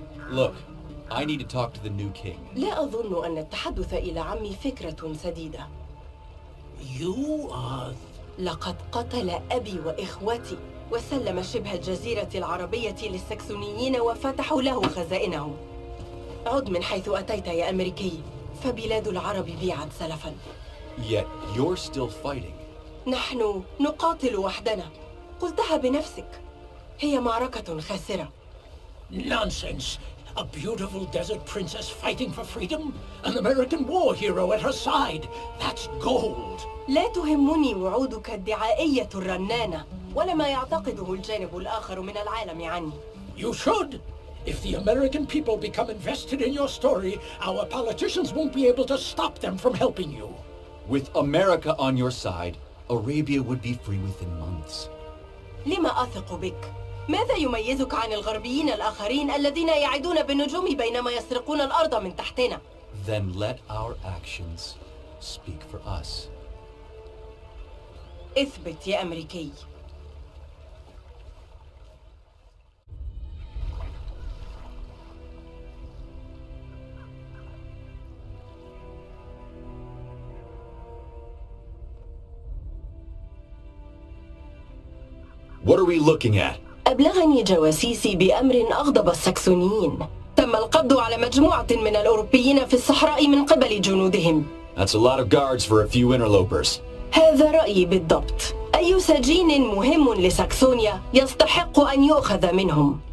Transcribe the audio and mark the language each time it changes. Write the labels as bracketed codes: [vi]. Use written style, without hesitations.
[en] Look, I need to talk to the new king. [ar] لا أظن أن التحدث إلى عمي فكرة سديدة. [en] You are... [ar] لقد قتل أبي وإخوتي وسلم شبه الجزيرة العربية للساكسونيين وفتحوا له خزائنهم. عد من حيث أتيت يا أمريكي، فبلاد العرب بيعت سلفا. [en] Yet you're still fighting. [ar] نحن نقاتل وحدنا. قلتها بنفسك. هي معركة خاسرة. [en] Nonsense. A beautiful desert princess fighting for freedom? An American war hero at her side. That's gold. [ar] لا تهمني وعودك الدعائية الرنانة ولا ما يعتقده الجانب الآخر من العالم عني. [en] You should. If the American people become invested in your story, our politicians won't be able to stop them from helping you. With America on your side, Arabia would be free within months. [ar] لما أثق بك؟ ماذا يميزك عن الغربيين الآخرين الذين يعدون بالنجوم بينما يسرقون الأرض من تحتنا؟ [en] Then let our actions speak for us. [ar] اثبت يا أمريكي. [en] What are we looking at? [ar] أبلغني جواسيسي بأمر أغضب الساكسونيين. تم القبض على مجموعة من الأوروبيين في الصحراء من قبل جنودهم. [en] That's a lot of guards for a few interlopers. [ar] هذا رأيي بالضبط. أي سجين مهم لساكسونيا يستحق أن يؤخذ منهم.